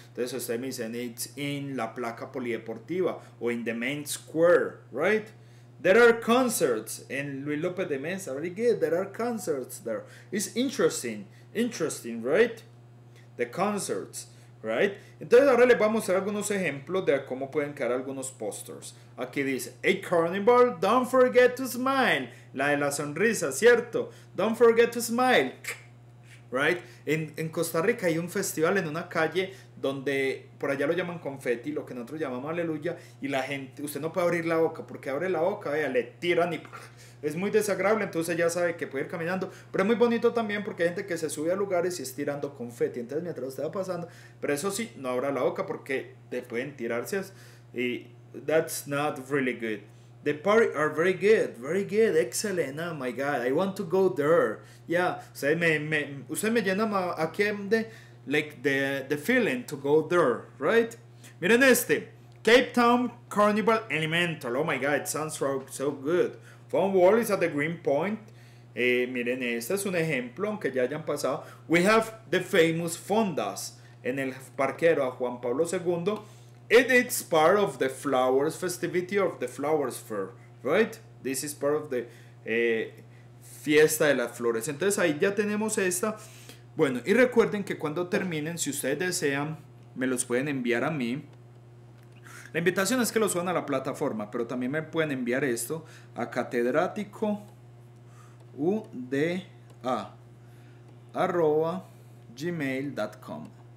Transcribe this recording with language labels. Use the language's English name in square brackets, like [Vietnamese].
[Spanish] Entonces ustedes me dicen, [English] it's in [Spanish] la placa polideportiva o [English] in the main square, right? There are concerts in Luis López de Mesa. Very good, there are concerts there. It's interesting, right? The concerts, right? [Spanish] Entonces ahora les voy a mostrar algunos ejemplos de cómo pueden quedar algunos posters. Aquí dice, [English] hey carnival, don't forget to smile. [Spanish] La de la sonrisa, ¿cierto? [English] Don't forget to smile. [Spanish] Right, en Costa Rica hay un festival en una calle donde por allá lo llaman confeti, lo que nosotros llamamos aleluya, y la gente, usted no puede abrir la boca porque abre la boca, vea, le tiran y es muy desagradable. Entonces ya sabe que puede ir caminando, pero es muy bonito también porque hay gente que se sube a lugares y es tirando confeti, entonces mientras usted va pasando, pero eso sí, no abra la boca porque te pueden tirarse y [English] that's not really good. The party are very good, excellent, oh my God, I want to go there. Yeah, [Spanish] usted me llena aquí de, [English] like, the feeling to go there, right? [Spanish] Miren este, [English] Cape Town Carnival Elemental, oh my God, it sounds so good. Fun World is at the Green Point. [Spanish] Miren, este es un ejemplo, aunque ya hayan pasado. [English] We have the famous Fondas [Spanish] en el parquero a [English] Juan Pablo II. It is part of the flowers festivity of the flowers fair, right? This is part of the [Spanish] fiesta de las flores. Entonces ahí ya tenemos esta. Bueno, y recuerden que cuando terminen, si ustedes desean me los pueden enviar a mí. La invitación es que lo suban a la plataforma, pero también me pueden enviar esto a catedraticouda@gmail.com.